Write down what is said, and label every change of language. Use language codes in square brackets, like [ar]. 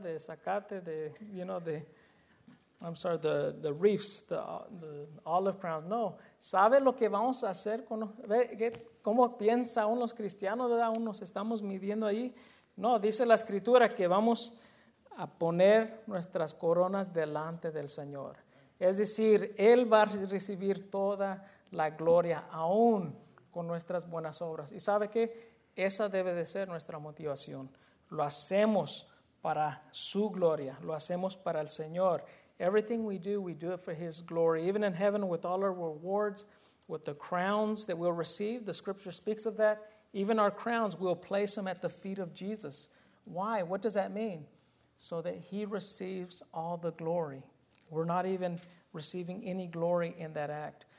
[es] De zacate, [en] I'm sorry, the reefs, the olive crowns. [es] No, ¿sabe lo que vamos a hacer? ¿Cómo piensa aún los cristianos, verdad? Aún nos estamos midiendo ahí. No, dice la escritura que vamos a poner nuestras coronas delante del Señor. Es decir, Él va a recibir toda la gloria, aún con nuestras buenas obras. ¿Y sabe qué? Esa debe de ser nuestra motivación. Lo hacemos para su gloria. Lo hacemos para el Señor. [en] Everything we do it for His glory. Even in heaven, with all our rewards, with the crowns that we'll receive, the scripture speaks of that. Even our crowns, we'll place them at the feet of Jesus. Why? What does that mean? So that He receives all the glory. We're not even receiving any glory in that act.